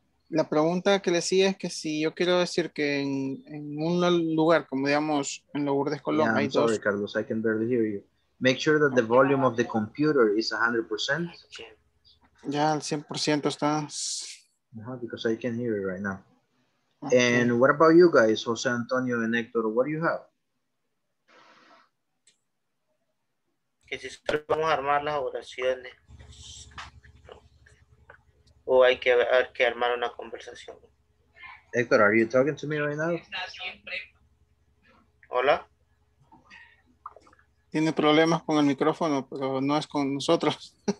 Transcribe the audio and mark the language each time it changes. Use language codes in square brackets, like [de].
[es] La pregunta que le hacía es que si yo quiero decir que en un lugar, como digamos en Lourdes Colón, [en] yeah, [es] hay dos. [en] Sorry, Carlos, I can barely hear you. Make sure that the volume of the computer is 100%. [es] Ya, el 100% está. [en] Because I can hear it right now. Okay. And what about you guys, Jose Antonio and Hector? What do you have? [es] Que si solo vamos a armar las oraciones. O hay que ver que armar una conversación. [en] Héctor, are you talking to me right now? [es] Hola. Tiene problemas con el micrófono, pero no es con nosotros.